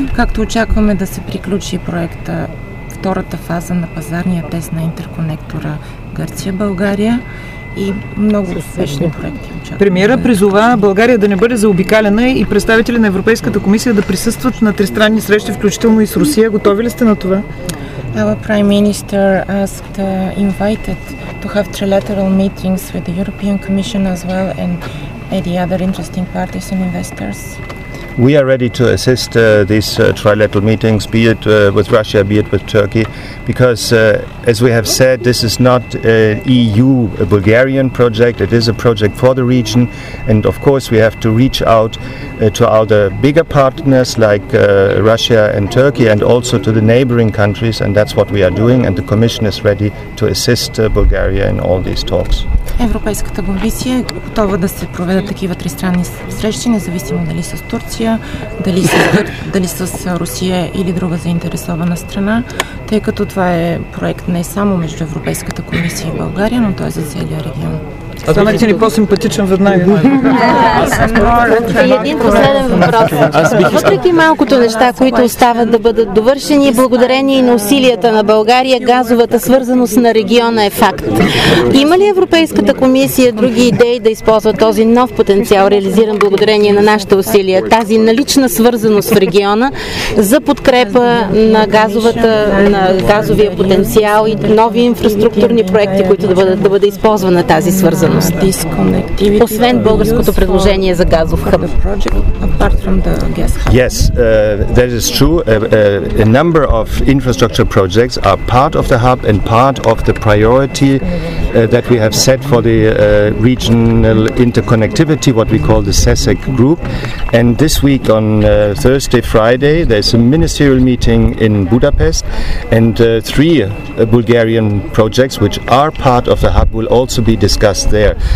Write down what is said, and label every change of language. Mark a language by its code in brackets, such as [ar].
[bg] Както очакваме да се приключи проекта, втората фаза на пазарния тест на интерконектора Гърция-България. И много успешни проекти очакваме. Премиера призова България да не бъде заобикаляна и представители на Европейската комисия да присъстват на тристранни срещи, включително и с Русия. Готови ли сте на това? [en] Our Prime Minister asked, invited to have trilateral meetings with the European Commission as well and any other interesting parties and investors. We are ready to assist these trilateral meetings, be it with Russia, be it with Turkey, because as we have said, this is not an EU-Bulgarian project, it is a project for the region, and of course we have to reach out to all the bigger partners like Russia and Turkey, and also to the neighboring countries, and that's what we are doing, and the Commission is ready to assist Bulgaria in all these talks. [bg] Европейската комисия е готова да се проведат такива тристранни срещи, независимо дали с Турция, дали с Русия или друга заинтересована страна, тъй като това е проект не само между Европейската комисия и България, но той е за целия регион. А това ти ни по-симпатичен веднага. И един последен въпрос. Въпреки малкото неща, които остават да бъдат довършени, благодарение на усилията на България, газовата свързаност на региона е факт. Има ли Европейската комисия други идеи да използва този нов потенциал, реализиран благодарение на нашите усилия, тази налична свързаност в региона за подкрепа на газовия потенциал и нови инфраструктурни проекти, които да бъде използвана тази свързаност? Освен българското предложение за газов хъб. [en] Yes, that is true. A number of infrastructure projects are part of the hub and part of the priority that we have set for the regional interconnectivity, what we call the SESEC group. And this week on Thursday, Friday, there's a ministerial meeting in Budapest, and three Bulgarian projects which are part of the hub will also be discussed there.